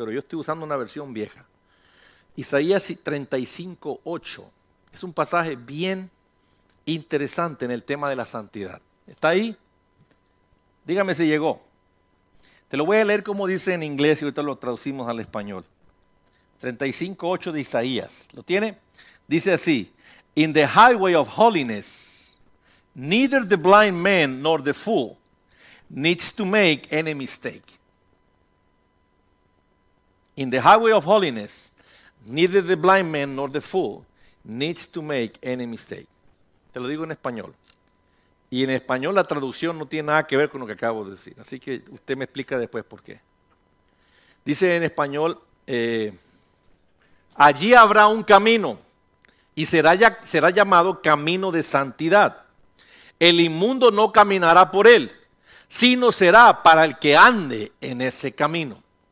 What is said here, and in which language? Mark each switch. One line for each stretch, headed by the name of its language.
Spanish: Pero yo estoy usando una versión vieja. Isaías 35:8. Es un pasaje bien interesante en el tema de la santidad. ¿Está ahí? Dígame si llegó. Te lo voy a leer como dice en inglés y ahorita lo traducimos al español. 35:8 de Isaías. ¿Lo tiene? Dice así.
English: In the highway of holiness, neither the blind man nor the fool needs to make any mistake. In the highway of holiness, neither the blind man nor the fool needs to make any mistake.
Spanish: Te lo digo en español. Y en español la traducción no tiene nada que ver con lo que acabo de decir. Así que usted me explica después por qué. Dice en español, allí habrá un camino. Y será llamado camino de santidad. El inmundo no caminará por él, sino será para el que ande en ese camino.